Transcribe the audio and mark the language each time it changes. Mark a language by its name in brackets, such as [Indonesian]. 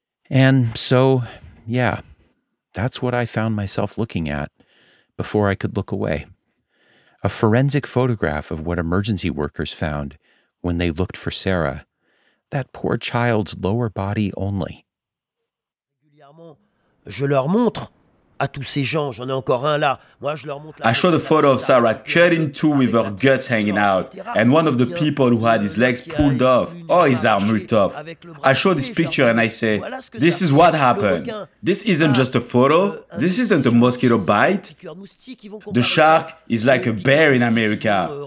[English] And so, yeah, that's what I found myself looking at before I could look away. A forensic photograph of what emergency workers found when they looked for Sarah, that poor child's lower body only. [French] Je leur montre à tous ces gens, j'en ai encore un là. Moi, je leur montre. [English] I show the photo of Sarah cut in two with her guts hanging out, and one of the people who had his legs pulled off, oh, his arm ripped off. I show this picture and I say, this is what happened. This isn't just a photo. This isn't a mosquito bite. The shark is like a bear in America.